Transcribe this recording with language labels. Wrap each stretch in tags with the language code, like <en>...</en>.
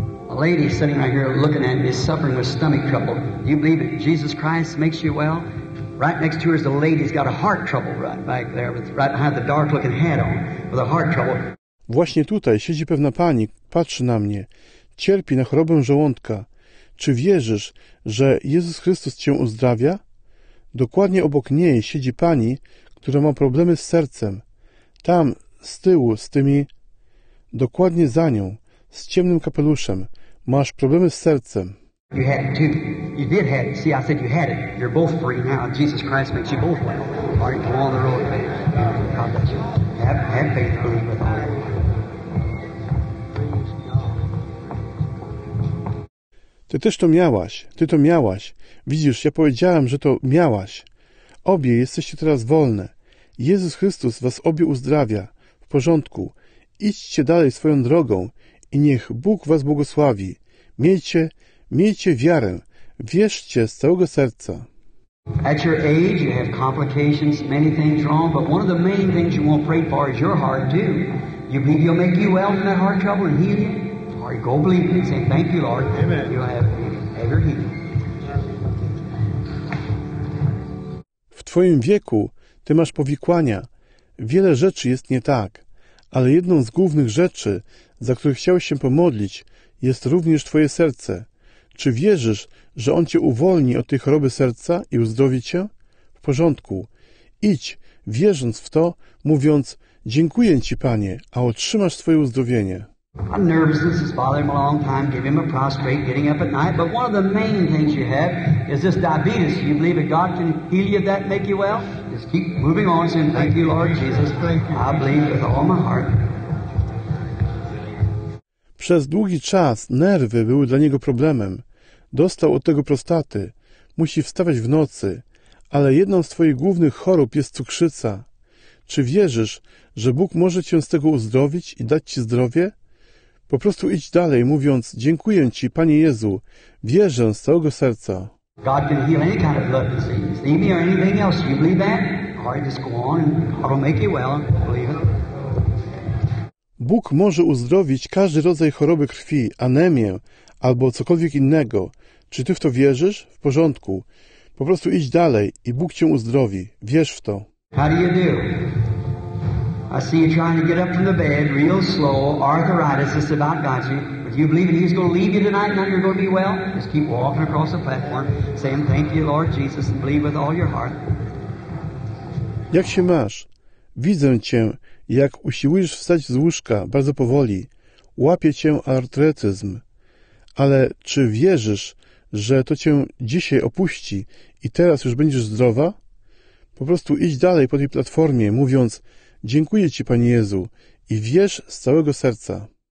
<en>A lady sitting right here looking at me is suffering with stomach trouble. Do you believe that Jesus Christ makes you well? Right next to her is a lady's got a heart trouble right back there, with right behind the dark looking hat on with a heart trouble.</en> <pl>Właśnie tutaj siedzi pewna pani, patrzy na mnie. Cierpi na chorobę żołądka. Czy wierzysz, że Jezus Chrystus cię uzdrawia? Dokładnie obok niej siedzi pani, która ma problemy z sercem. Tam, z tyłu, z tymi... Dokładnie za nią, z ciemnym kapeluszem, masz problemy z sercem.</pl> <en>You had it too. You did have it. See, I said you had it. You're both free now. Jesus Christ makes you both well. All right, go on the road, man. God bless you. Have faith, believe with all.</en> <pl>Ty też to miałaś. Widzisz, ja powiedziałem, że to miałaś. Obie jesteście teraz wolne. Jezus Chrystus was obie uzdrawia. W porządku. Idźcie dalej swoją drogą i niech Bóg was błogosławi. Miejcie wiarę. Wierzcie z całego serca.</pl> <en>At your age, you have complications, many things wrong, but one of the main things you want to pray for is your heart, too. You believe He'll make you well from that heart trouble and heal you? Or you go believe Him and say, thank you, Lord. Amen. You'll have your healing.</en> <pl>W Twoim wieku Ty masz powikłania. Wiele rzeczy jest nie tak, ale jedną z głównych rzeczy, za które chciałeś się pomodlić, jest również Twoje serce. Czy wierzysz, że On Cię uwolni od tej choroby serca i uzdrowi Cię? W porządku. Idź, wierząc w to, mówiąc, dziękuję Ci, Panie, a otrzymasz swoje uzdrowienie.</pl> <en>A nervousness is bothering him a long time, gave him a prostrate, getting up at night, but one of the main things you have is this diabetes. You believe that God can heal you of that and make you well? Just keep moving on, saying, thank you, Lord Jesus. I believe with all my heart.</en> <pl>Przez długi czas nerwy były dla niego problemem. Dostał od tego prostaty. Musi wstawać w nocy. Ale jedną z twoich głównych chorób jest cukrzyca. Czy wierzysz, że Bóg może cię z tego uzdrowić i dać ci zdrowie? Po prostu idź dalej, mówiąc, dziękuję Ci, Panie Jezu. Wierzę z całego serca.</pl> <en>God can heal any kind of blood disease, anemia or anything else. You believe that? Or just go on and God will make you well. Believe it.</en> <pl>Bóg może uzdrowić każdy rodzaj choroby krwi, anemię albo cokolwiek innego. Czy ty w to wierzysz? W porządku. Po prostu idź dalej i Bóg cię uzdrowi. Wierz w to.</pl> <en>How do you do? I see you trying to get up from the bed real slow. Arthritis is about got you. But you believe that he's going to leave you tonight and you're going to be well? Just keep walking across the platform saying thank you, Lord Jesus, and believe with all your heart.</en> <pl>Jak się masz? Widzę cię. Jak usiłujesz wstać z łóżka, bardzo powoli, łapie cię artretyzm. Ale czy wierzysz, że to cię dzisiaj opuści i teraz już będziesz zdrowa? Po prostu idź dalej po tej platformie, mówiąc, dziękuję Ci, Panie Jezu, i wierz z całego serca.</pl>